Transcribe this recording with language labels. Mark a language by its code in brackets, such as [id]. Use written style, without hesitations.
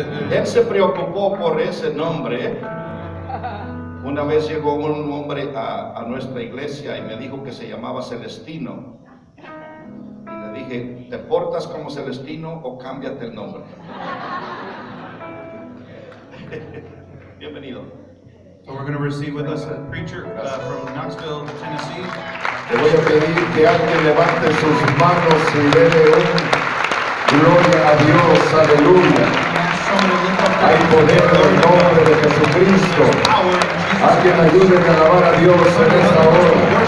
[es] Él se preocupó por ese nombre. Una vez llegó un hombre a nuestra iglesia y me dijo que se llamaba Celestino. Y le dije, ¿te portas como Celestino o cámbiate el nombre? Bienvenido. [en] So we're going to receive with us a preacher from Knoxville, Tennessee. [es] Le voy a pedir que alguien levante sus manos y déle un gloria a Dios, aleluya. Hay poder en el nombre de Jesucristo. Alguien ayude a alabar a Dios en esta hora.